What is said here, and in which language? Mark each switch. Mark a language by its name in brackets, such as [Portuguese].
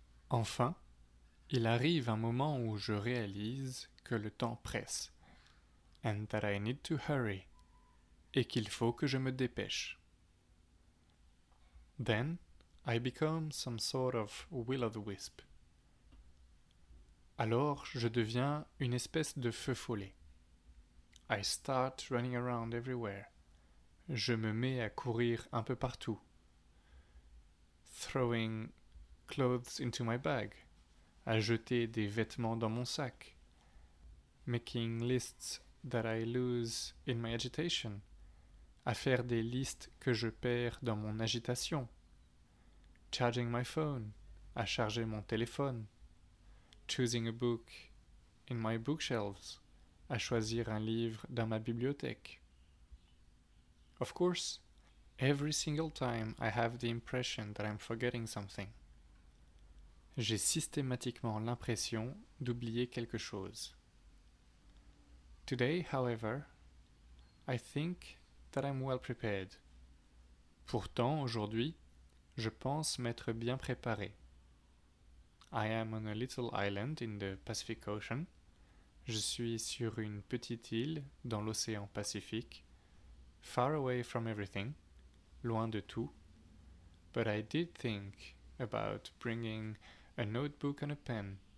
[French] Enfin, il arrive un moment où je réalise que le temps presse, [English] and that I need to hurry, [French] et qu'il faut que je me dépêche. [English] Then, I become some sort of will-o'-the-wisp. [French] Alors, je deviens une espèce de feu follet. [English] I start running around everywhere. [French] Je me mets à courir un peu partout. [English] Throwing clothes into my bag. [French] À jeter des vêtements dans mon sac. [English] Making lists that I lose in my agitation. [French] À faire des listes que je perds dans mon agitation. [English] Charging my phone. [French] À charger mon téléphone. [English] Choosing a book in my bookshelves, [French] à choisir un livre dans ma bibliothèque. [English] Of course, Every single time, I have the impression that I'm forgetting something. [French] J'ai systématiquement l'impression d'oublier quelque chose. [English] Today, however, I think that I'm well prepared. [French] Pourtant, aujourd'hui, je pense m'être bien préparé. [English] I am on a little island in the Pacific Ocean. [French] Je suis sur une petite île dans l'océan Pacifique, [English] far away from everything, [French] loin de tout. [English] But I did think about bringing a notebook and a pen.